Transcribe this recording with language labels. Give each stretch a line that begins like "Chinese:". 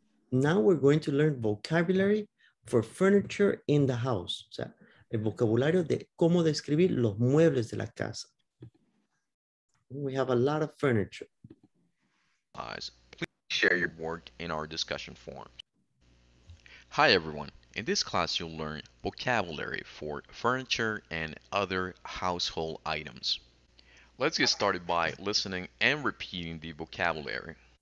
English: Now we're going to learn vocabulary for furniture in the house.
Spanish: O sea, el vocabulario de cómo describir los muebles de la casa.
English: We have a lot of furniture. Please share your work in our discussion forum. Hi everyone. In this class, you'll learn vocabulary for furniture and other household items. Let's get started by listening and repeating the vocabulary.